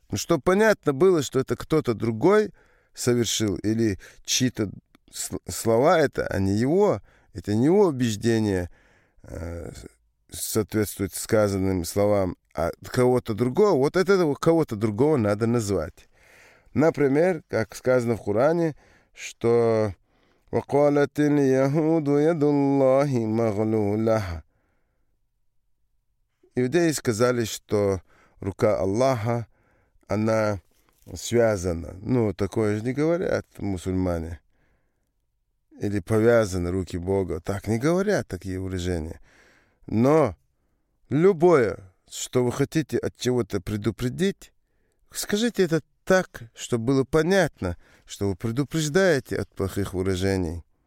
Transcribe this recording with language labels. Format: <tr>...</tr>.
<ru>Ну, чтобы понятно было, что это кто-то другой совершил, или чьи-то слова это, а не его, это не его убеждение соответствует сказанным словам, а кого-то другого, вот этого кого-то другого надо назвать. Например, как сказано в Коране, что</ru> <ar>وقالت اليهود يد الله مغلوله.</ar> <ru>Иудеи сказали, что рука Аллаха, она связана. Ну, такое же не говорят мусульмане. Или повязаны руки Бога. Так не говорят такие выражения. Но любое, что вы хотите от чего-то предупредить, скажите это так, чтобы было понятно, что вы предупреждаете от плохих выражений.</ru>